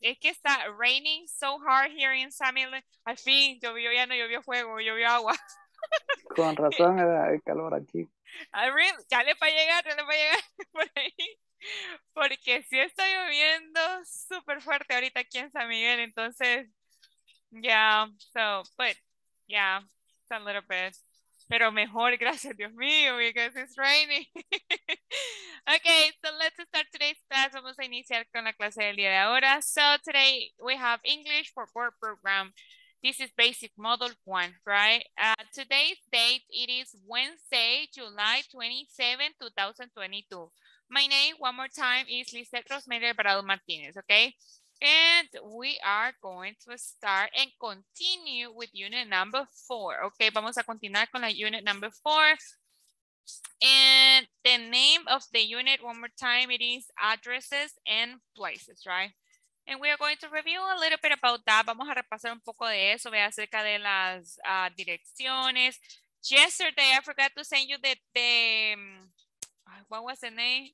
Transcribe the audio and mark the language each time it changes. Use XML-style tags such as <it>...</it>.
<es>Es que está</es> <en>raining so hard here in Samuel.</en> <es>Al fin, llovió, ya no llovió fuego, llovió agua. Con razón, era el calor aquí. Ya le va a llegar, ya le va a llegar por ahí. Porque sí está lloviendo súper fuerte ahorita aquí en San Miguel.</es> <en>Entonces, yeah, so, but, yeah, it's a little bit.</en> <es>Pero mejor, gracias Dios mío,</es> <en>because it's raining. Okay, so let's start today's class.</en> <es>Vamos a iniciar con la clase del día de ahora.</es> <en>So today we have English for Board Program. This is basic model one, right? Today's date, it is Wednesday, July 27, 2022. My name, one more time, is Lizeth Rosemary Alvarado Martinez, okay? And we are going to start and continue with unit number four. Okay,</en> <es>vamos a continuar con la</es> <en>unit number four. And the name of the unit, one more time, it is addresses and places, right? And we are going to review a little bit about that.</en> <es>Vamos a repasar un poco de eso, vea, acerca de las direcciones.</es> <en>Yesterday, I forgot to send you the what was the name?</en>